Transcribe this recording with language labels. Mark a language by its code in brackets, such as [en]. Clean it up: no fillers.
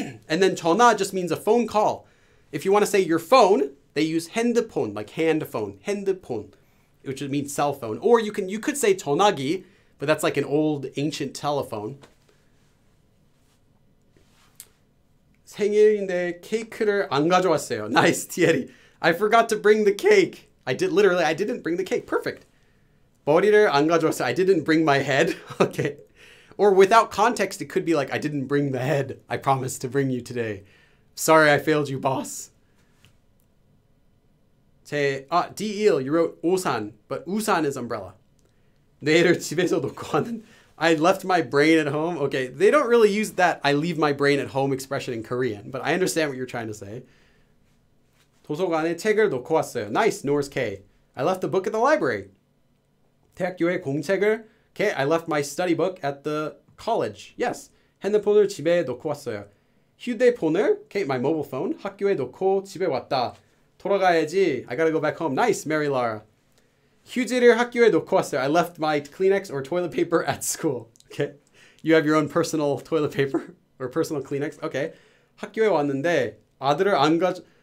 [en] And then 전화 just means a phone call. If you want to say your phone, they use 핸드폰, like hand phone, 핸드폰, which means cell phone. Or you could say 전화기, but that's like an old ancient telephone. [ko] 생일인데 케이크를 안 가져왔어요. [en] Nice, Thierry. I forgot to bring the cake. I didn't bring the cake. Perfect. [ko] 머리를 안 가져왔어요. [en] I didn't bring my head. Okay. Or without context, it could be like, I didn't bring the head I promised to bring you today. Sorry, I failed you, boss. D-E-L, you wrote 우산, but 우산 is umbrella. [ko] 내일 집에서 놓고 왔는데, [en] I left my brain at home. Okay, they don't really use that I leave my brain at home expression in Korean, but I understand what you're trying to say. [ko] 도서관에 책을 놓고 왔어요. [en] Nice, Norris K. I left the book at the library. [ko] 대학교에 공책을, [en] okay, I left my study book at the college. [ko] Yes, 핸드폰을 집에 놓고 왔어요. 휴대폰을, [en] okay, my mobile phone, [ko] 학교에 놓고 집에 왔다. 돌아가야지. [en] I gotta go back home. [ko] Nice, Mary Lara. 휴지를 학교에 놓고 왔어요. [en] I left my Kleenex or toilet paper at school. Okay. You have your own personal toilet paper or personal Kleenex. Okay. [ko] 학교에 왔는데 아들을 안 가져...